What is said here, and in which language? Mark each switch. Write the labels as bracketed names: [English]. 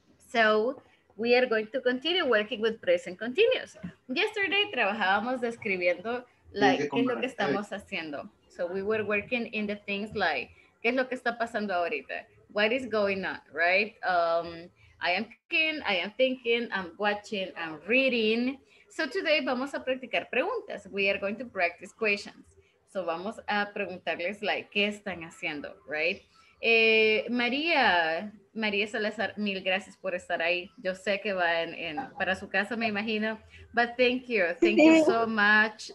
[English] So, we are going to continue working with present continuous. Yesterday, [Spanish] trabajábamos describiendo, like, qué es lo que estamos haciendo. [English] So, we were working in the things like, [Spanish] qué es lo que está pasando ahorita? [English] What is going on, right? I am cooking, I am thinking, I'm watching, I'm reading. So today [Spanish] vamos a practicar preguntas. [English] We are going to practice questions. [Spanish] So vamos a preguntarles, like, ¿qué están haciendo? Right? María Salazar, mil gracias por estar ahí. Yo sé que va en para su casa, me imagino. [English] But thank you so much.